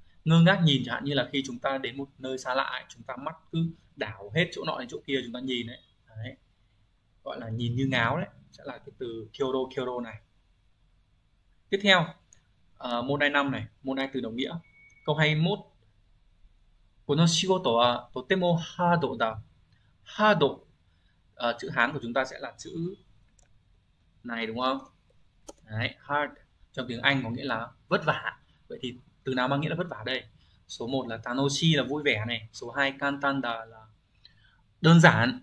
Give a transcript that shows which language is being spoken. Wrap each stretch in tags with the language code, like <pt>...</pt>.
<vi>Ngơ ngác nhìn chẳng hạn như là khi chúng ta đến một nơi xa lạ, chúng ta mắt cứ đảo hết chỗ nọ đến chỗ kia chúng ta nhìn ấy. Đấy. Gọi là nhìn như ngáo đấy, sẽ là cái từ kyoro kyoro này. Tiếp theo, môn đai 5 này, môn đai từ đồng nghĩa. Câu 21.</vi> <ja>この仕事はとてもハードだ。</ja> <vi>ハード、chữ Hán của chúng ta sẽ là chữ này, đúng không? Đấy, hard trong tiếng Anh có nghĩa là vất vả. Vậy thì từ nào mang nghĩa là vất vả đây? Số 1 là tanoshi, là vui vẻ này. Số 2 kantan da, là đơn giản.</vi>